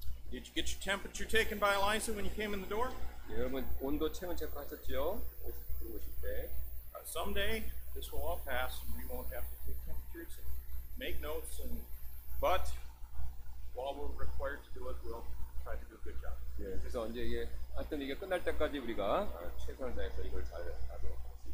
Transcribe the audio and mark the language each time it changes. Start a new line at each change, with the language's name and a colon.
English: Did you get your temperature taken by Eliza when you came in the door?
Korean: 예, 여러분 온도 체온 체크하셨죠? 오실 때.
English: Someday this will all pass and we won't have to take temperatures and make notes and but while we're required to do it, we'll try to do a good job.
Korean: 예, 그래서 언제 이게 하여튼 이게 끝날 때까지 우리가 최선을 다해서 이걸 잘 하도록 하겠습니다.